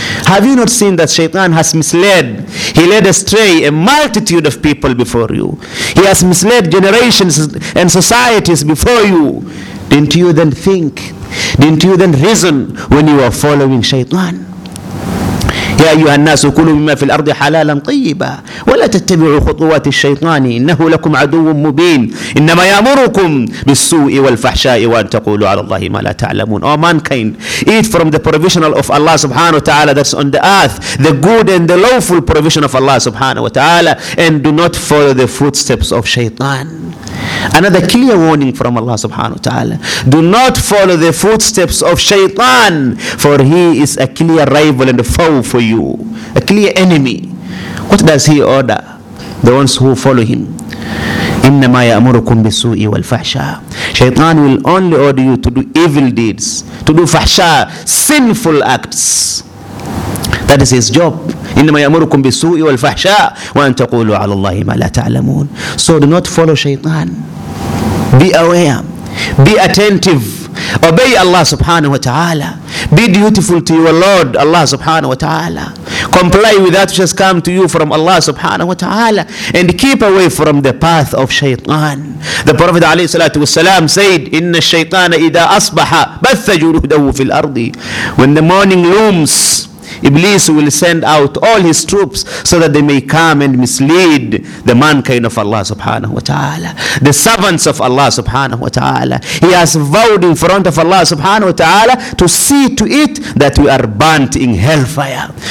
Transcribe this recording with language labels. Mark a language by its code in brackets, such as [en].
[en] Have you not seen that shaitan has misled? He led astray a multitude of people before you. He has misled generations and societies before you. Didn't you then think? Didn't you then reason when you were following shaitan? [ar] يا أيها الناس كلوا مما في الأرض حلالا طيبا ولا تتبعوا خطوات الشيطان إنه لكم عدو مبين إنما يأمركم بالسوء والفحشاء وأن تقولوا على الله ما لا تعلمون. [en] Oh mankind, eat from the provision of Allah subhanahu wa ta'ala that's on the earth, the good and the lawful provision of Allah subhanahu wa ta'ala, and do not follow the footsteps of shaitan. Another clear warning from Allah subhanahu wa ta'ala. Do not follow the footsteps of shaitan, for he is a clear rival and foe for you, a clear enemy. What does he order? The ones who follow him. [ar] إِنَّمَا يَأْمُرُكُمْ بِسُوءِ وَالْفَحْشَاءِ. [en] Shaitan will only order you to do evil deeds, to do fahsha, sinful acts. That is his job. [ar] إِنَّمَا يَأْمُرُكُمْ بِسُوءِ وَالْفَحْشَاءِ وَأَنْ تَقُولُوا عَلَى اللَّهِ مَا لَا تَعْلَمُونَ. [en] So do not follow shaitan. Be aware. Be attentive. Obey Allah subhanahu wa ta'ala. Be dutiful to your Lord, Allah subhanahu wa ta'ala. Comply with that which has come to you from Allah subhanahu wa ta'ala. And keep away from the path of shaitan. The Prophet [ar] alayhi salatu wasalam [en] said, [ar] إِنَّ الشَّيْطَانَ إِذَا أَصْبَحَ بَثَّ جُرُهُدَهُ فِي الْأَرْضِ. [en] When the morning looms, Iblis will send out all his troops so that they may come and mislead the mankind of Allah subhanahu wa ta'ala, the servants of Allah subhanahu wa ta'ala. He has vowed in front of Allah subhanahu wa ta'ala to see to it that we are burnt in hellfire.